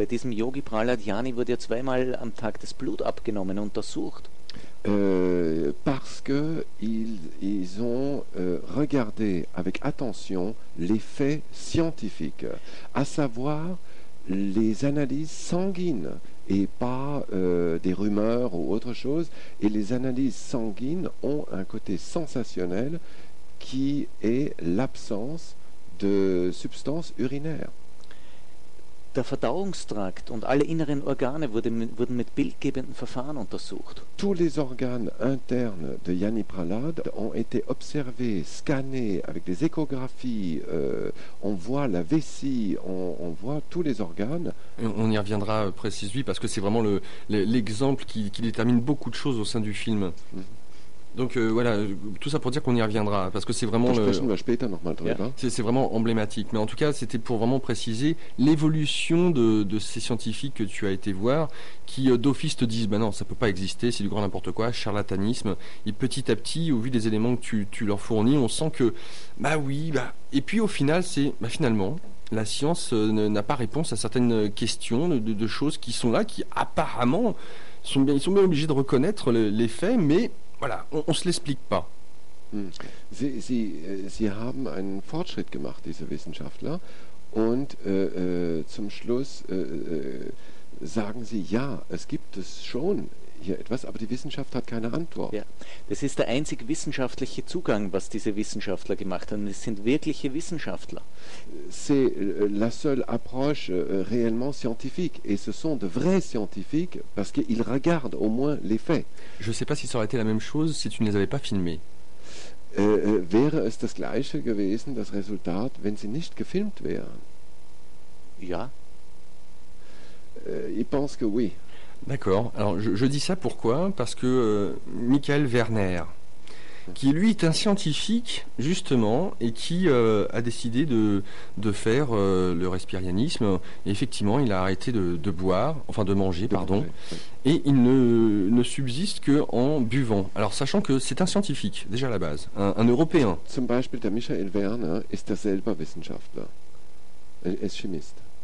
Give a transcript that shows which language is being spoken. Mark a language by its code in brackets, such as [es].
[de] Bei diesem Yogi Prahlad Jani wurde ja zweimal am Tag das Blut abgenommen, untersucht. [fr] Parce que ils ont regardé avec attention les faits scientifiques, à savoir les analyses sanguines et pas des rumeurs ou autre chose. Et les analyses sanguines ont un côté sensationnel qui est l'absence de substances urinaires. [de] Der Verdauungstrakt und alle inneren Organe wurden mit bildgebenden Verfahren untersucht. [fr] Tous les organes internes de Yani Prahlad ont été observés, scannés avec des échographies. On voit la vessie, on voit tous les organes. On y reviendra précisément parce que c'est vraiment l'exemple qui détermine beaucoup de choses au sein du film. Mm-hmm. Donc voilà, tout ça pour dire qu'on y reviendra, parce que c'est vraiment c'est vraiment emblématique. Mais en tout cas, c'était pour vraiment préciser l'évolution de ces scientifiques que tu as été voir, qui d'office te disent, ben non, ça peut pas exister, c'est du grand n'importe quoi, charlatanisme. Et petit à petit, au vu des éléments que tu leur fournis, on sent que, bah oui, bah... Et puis au final, finalement, la science n'a pas réponse à certaines questions de choses qui sont là, qui apparemment, sont bien obligés de reconnaître les faits, mais... Voilà, on se l'explique pas. [de] Sie haben einen Fortschritt gemacht, diese Wissenschaftler, und zum Schluss sagen sie, ja, es gibt es schon hier etwas, aber die Wissenschaft hat keine Antwort. Ja, das ist der einzig wissenschaftliche Zugang, was diese Wissenschaftler gemacht haben. Es sind wirkliche Wissenschaftler. [fr] C'est la seule approche réellement scientifique. Et ce sont de vrais scientifiques, parce qu'ils regardent au moins les faits. Je ne sais pas si ça aurait été la même chose si tu ne les avais pas filmés. [de] Wäre es das gleiche gewesen, das Resultat, wenn sie nicht gefilmt wären? Ja. Ich [fr] pense que oui. D'accord. Alors, je dis ça pourquoi ? Parce que Michael Werner, qui lui est un scientifique, justement, et qui a décidé de faire le respirianisme, et effectivement, il a arrêté de manger. Et il ne subsiste qu'en buvant. Alors, sachant que c'est un scientifique, déjà à la base, un Européen. [de] Zum Beispiel, der Michael Werner ist derselbe Wissenschaftler. Er ist Chemist.